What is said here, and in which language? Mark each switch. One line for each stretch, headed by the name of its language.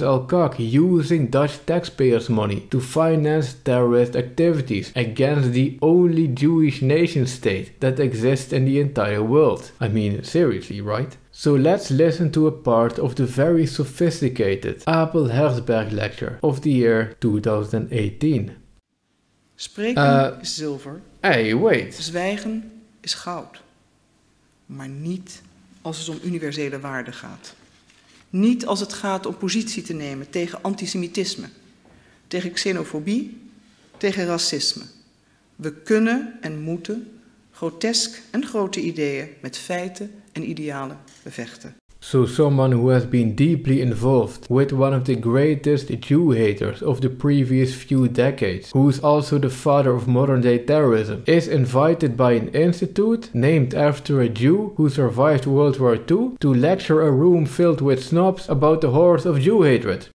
English: Alkak using Dutch taxpayers' money to finance terrorist activities against the only Jewish nation state that exists in the entire world. I mean, seriously, right? So let's listen to a part of the very sophisticated Abel Herzberg lecture of the year 2018.
Dutch: Spreken zilver.
English: Hey, wait.
Dutch: Zwijgen is goud, maar niet als het om universele waarden gaat. Niet als het gaat om positie te nemen tegen antisemitisme, tegen xenofobie, tegen racisme. We kunnen en moeten grotesk en grote ideeën met feiten en idealen bevechten.
English: So someone who has been deeply involved with one of the greatest Jew haters of the previous few decades, who is also the father of modern day terrorism, is invited by an institute named after a Jew who survived World War II to lecture a room filled with snobs about the horrors of Jew hatred.